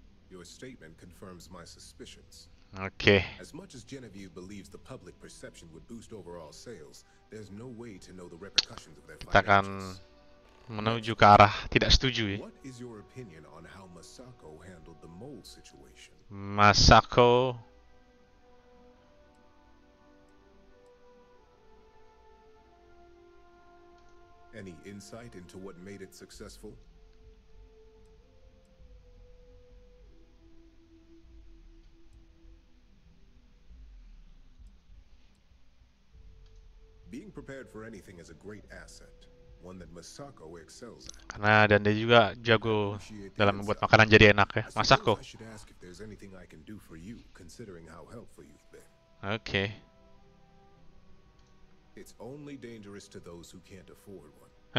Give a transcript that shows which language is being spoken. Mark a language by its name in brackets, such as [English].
[English] Your statement confirms my suspicions. Okay. As much as Genevieve believes the public perception would boost overall sales, there's no way to know the repercussions of their financials. [Indonesian] Kita akan menuju ke arah tidak setuju ya. [English] What is your opinion on how Masako handled the mole situation? Masako. Any insight into what made it successful? Being prepared for anything is a great asset. One that Masako excels at. [Indonesian] Karena dan dia juga jago dalam membuat makanan jadi enak ya, Masako. [English] I should ask if there's anything I can do for you, considering how helpful you've been. Okay. It's only dangerous to those who can't afford one.